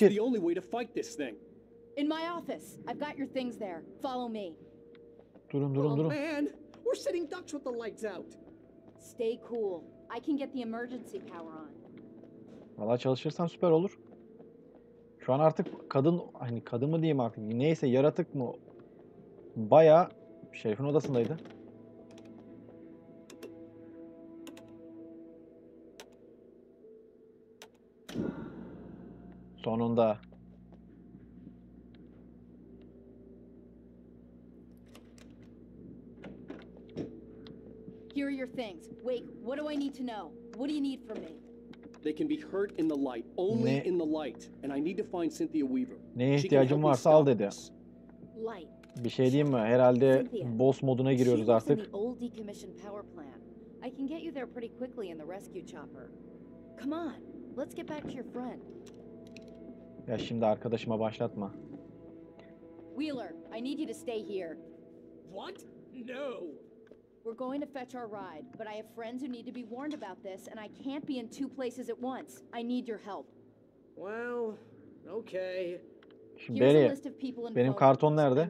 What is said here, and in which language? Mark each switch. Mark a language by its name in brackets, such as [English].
[English] it. It's the only way to fight this thing. In my office. I've got your things there. Follow me. [Turkish] Durun. [English] Oh man, we're sitting ducks with the lights out. Stay cool. I can get the emergency power on. [Turkish] Vallahi çalışırsam süper olur. Şu an artık kadın, hani kadın mı diyeyim artık, neyse yaratık mı, bayağı şerifin odasındaydı. Sonunda. [English] Here are your things. Wait, what do I need to know? What do you need from me? They can be hurt in the light, only in the light, and I need to find Cynthia Weaver. [Turkish] Ne ihtiyacım varsa al dedi. [English] Light. [Turkish] Bir şey diyeyim mi? Herhalde boss moduna giriyoruz artık. [English] The old decommissioned power plant. I can get you there pretty quickly in the rescue chopper. Come on, let's get back to your friend. [Turkish] Ya şimdi arkadaşıma başlatma. [English] Wheeler, I need you to stay here. What? No. We're going to fetch our ride, but I have friends who need to be warned about this, and I can't be in two places at once. I need your help. Well, okay. Here's a list of people in [Turkish] benim karton nerede?